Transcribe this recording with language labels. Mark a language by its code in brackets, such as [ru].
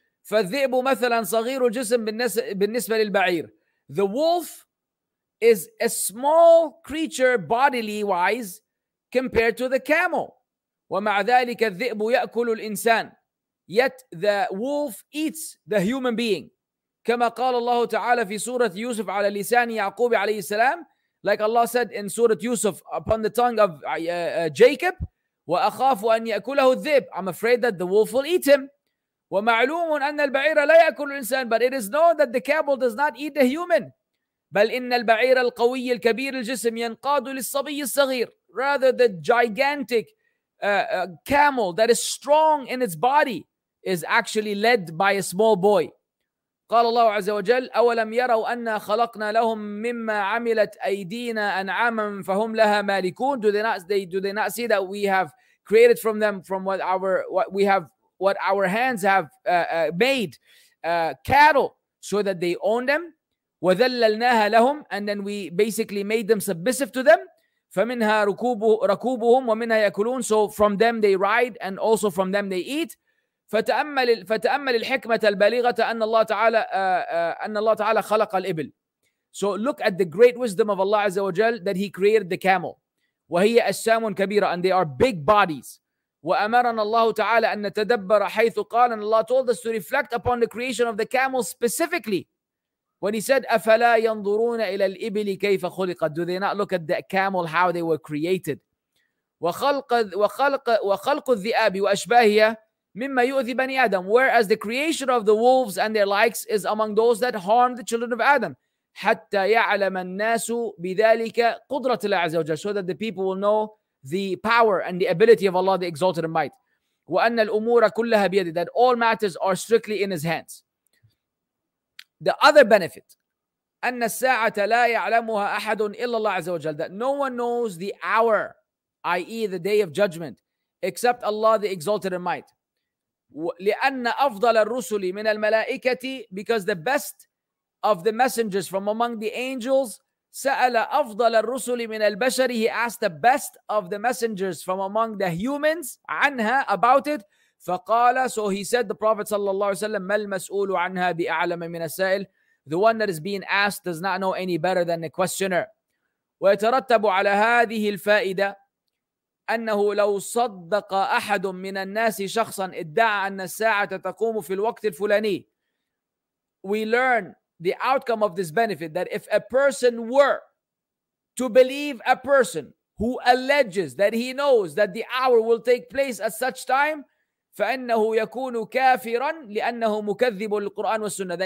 [ar] فَالذِّئْبُ مَثَلًا صَغِيرُ جِسْمٍ بِالنِّسْبَةِ لِلْبَعِيرِ. [en] The wolf is a small creature bodily wise compared to the camel. [ar] وَمَعْ ذَلِكَ الذِّئْبُ يَأْكُلُ الْإِنسَانِ. [en] Yet the wolf eats the human being. [ar] كما قال الله تعالى في سورة يوسف على لسان يعقوب عليه السلام. [en] Like Allah said in سورة يوسف upon the tongue of Jacob. [ar] وأخاف أن يأكله الذئب. [en] I'm afraid that the wolf will eat him. [ar] ومعلوم أن البعير لا يأكل الإنسان. [en] But it is known that the camel does not eat the human. [ar] بل إن البعير القوي الكبير الجسم ينقاد للصبي الصغير. [en] Rather the gigantic camel that is strong in its body is actually led by a small boy. [ar] قال الله عز وجل أولم يروا أن خلقنا لهم مما عملت أيدينا أنعاما فهم لها مالكون. [en] Do they not see that we have created from them from what our hands have made cattle so that they own them. [ar] وذللناها لهم, [en] and then we basically made them submissive to them. [ar] فَمِنْهَا رَكُوبُهُمْ وَمِنْهَا يَكُلُونَ. [en] So from them they ride and also from them they eat. [ar] فَتَأَمَّلِ الْحِكْمَةَ الْبَلِيغَةَ أَنَّ اللَّهَ تَعَالَى خَلَقَ الْإِبْلِ. [en] So look at the great wisdom of Allah Azza wa Jal that he created the camel. [ar] وَهِيَ أَجْسَامٌ كَبِيرَةٌ, [en] and they are big bodies. [ar] وَأَمَرَنَا اللَّهُ تَعَالَى أَن نَتَدَبَّرَ حَيْثُ قَالَ. [en] And Allah told us to reflect upon the creation of the camel specifically. When he said, [ar] أَفَلَا يَنْظُرُونَ إِلَى الْإِبِلِ كَيْفَ خُلِقَتْ. [en] Do they not look at the camel, how they were created? [ar] وَخَلْقُ الذِّئَابِ وَأَشْبَاهِهَا مِمَّا يُؤْذِ بَنِي آدَمَ. [en] Whereas the creation of the wolves and their likes is among those that harm the children of Adam. [ar] حَتَّى يَعْلَمَ النَّاسُ بِذَلِكَ قُدْرَةِ اللَّهِ عَزَّ وَجَلَّ. [en] So that the people will know the power and the ability of Allah, the exalted and might. [ar] وَأَنَّ الْأُمُورَ كُلَّهَا بِيَدِ. [en] That all matters are strictly in his hands. The other benefit, [ar] أَنَّ السَّاعَةَ لَا يَعْلَمُهَا أَحَدٌ إِلَّا اللَّهِ عَزَّ وَجَلَّ. [en] That no one knows the hour, i.e. the day of judgment, except Allah, the exalted and might. [ar] لِأَنَّ أَفْضَلَ الرُّسُلِ مِنَ الْمَلَائِكَةِ. [en] Because the best of the messengers from among the angels, [ar] سَأَلَ أَفْضَلَ الرُّسُلِ مِنَ الْبَشَرِ. [en] He asked the best of the messengers from among the humans, [ar] عَنْهَا, [en] about it. [ar] فقال, [en] so he said, the Prophet [ar] صلى الله عليه وسلم, مَا الْمَسْؤُولُ عَنْهَا بِأَعْلَمَ مِنَ السَّائِلِ. [en] The one that is being asked does not know any better than the questioner. [ar] وَيَتَرَتَّبُ عَلَى هَذِهِ الْفَائِدَةِ أَنَّهُ لَوْ صَدَّقَ أَحَدٌ مِنَ النَّاسِ شَخْصًا إِدَّعَ أَنَّ السَّاعَةَ تَقُومُ فِي الْوَقْتِ الْفُلَانِي. [en] We learn the outcome of this benefit, that if a person were to believe a person who alleges that he knows that the hour will take place at such time, [ar] فَأَنَّهُ يَكُونُ كَافِرًا لِأَنَّهُ مُكَذِّبُ لِلْقُرْآنِ وَالسُّنَّةِ.